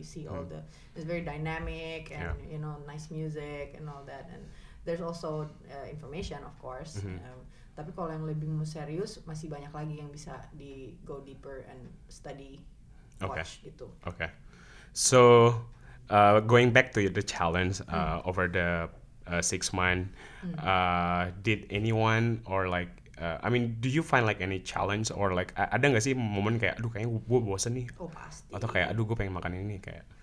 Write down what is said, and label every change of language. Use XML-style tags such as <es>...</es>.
<en>You see all the it's very dynamic and you know nice music and all that, and there's also information of course. Mm-hmm.</en> <id>Tapi kalau yang lebih mau serius, masih banyak lagi yang bisa di</id> <en>go deeper and study, watch</en> <id>gitu.</id> <en>Okay. So, going back to the challenge over the 6 months, did anyone or like, do you find like any challenge or like,</en> <id>ada nggak sih momen kayak, aduh kayaknya gue bosen nih? Oh pasti. Atau kayak, aduh gue pengen makan ini nih kayak.</id>